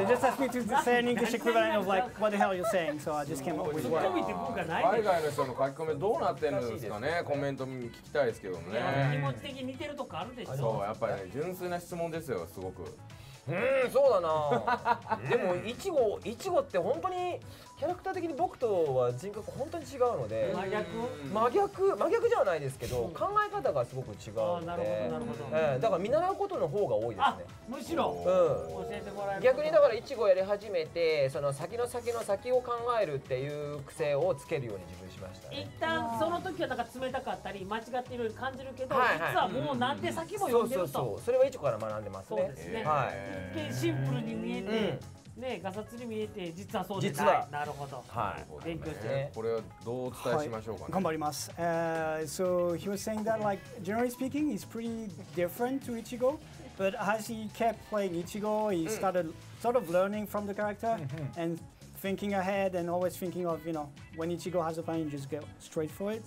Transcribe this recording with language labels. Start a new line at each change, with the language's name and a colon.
English: They just asked me to say an English equivalent of like what the hell you're saying, so I just came up with one.
Japanese: 海外の人の書き込みどうなってるんですかね。コメント聞きたいですけどもね。気持ち的に似てるとこあるでしょ。そうやっぱり純粋な質問ですよすごく。そうだな。でもイチゴって本当にキャラクター的に僕とは人格本当に違うので、真逆じゃないですけど考え方がすごく違うので、だから見習うことの方が多いですね。むしろ、教えてもらえる。逆にだからイチゴやり始めてその先の先の先を考えるっていう癖をつけるように自分しました、ね、一旦その時はだから冷たかったり間違っているように感じるけど、はい、実はもうなんて先も読んでると。それはイチゴから学んでますね。そうですね、はい。一見シンプルに見えて、ね、ガサツに見えて実はそうでない。実はなるほど、はい、勉強して、ね、これはどうお伝えしましょうかね、はい、頑張ります。
English: So he was saying that like generally speaking he's pretty different to Ichigo, but as he kept playing Ichigo he started sort of learning from the character and thinking ahead and always thinking of, you know, when Ichigo has a plan just go straight for it.